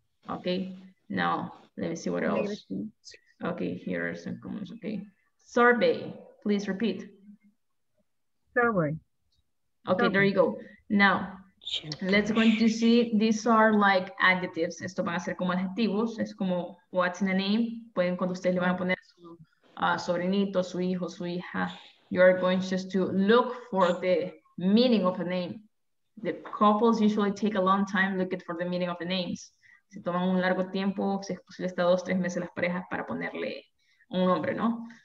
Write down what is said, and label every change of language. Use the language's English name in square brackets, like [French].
[English] Okay, now let me see what else. Okay, here are some comments. Okay. Survey, please repeat. Survey. Okay, there you go. Now, let's going to see, these are like adjectives. [Spanish] Esto van a ser como adjetivos. Es como, [English] what's in the name? [Spanish] Pueden, cuando ustedes le van a poner su sobrinito, su hijo, su hija. [English] You are going just to look for the meaning of a name. The couples usually take a long time looking for the meaning of the names. [Spanish] Se toman un largo tiempo, si es posible hasta 2-3 meses las parejas para ponerle un nombre, ¿no?